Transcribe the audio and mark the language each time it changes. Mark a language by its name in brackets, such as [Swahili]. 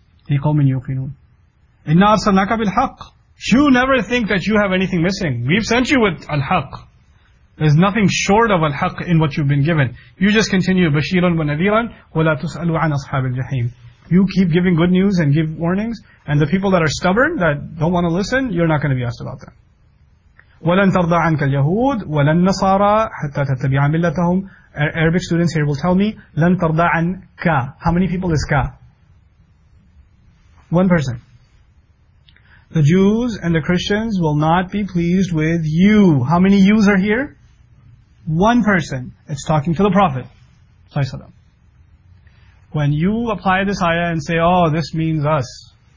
[Arabic] لِقَوْمٍ يُوقِنُونَ إِنَّا أَرْسَلْنَاكَ بِالْحَقِّ [English] You never think that you have anything missing. We've sent you with al-haq. There's nothing short of al-haq in what you've been given. You just continue, [Arabic] بَشِيرًا وَنَذِيرًا وَلَا تُسْأَلُوا عَنْ أَصْحَابِ الْجَحِيمِ [English] You keep giving good news and give warnings, and the people that are stubborn, that don't want to listen, you're not going to be asked about them. [Arabic] وَلَنْ تَرْضَى عَنْكَ الْيَهُودِ وَلَنْ نَصَارَى حَتَّى تَتَّبِعَ مِلَّتَهُمْ [English] Arabic students here will tell me, [Arabic] لَنْ تَرْضَى عَنْكَ [English] How many people is ka? One person. The Jews and the Christians will not be pleased with you. How many yous are here? One person. It's talking to the Prophet. When you apply this ayah and say, oh, this means us.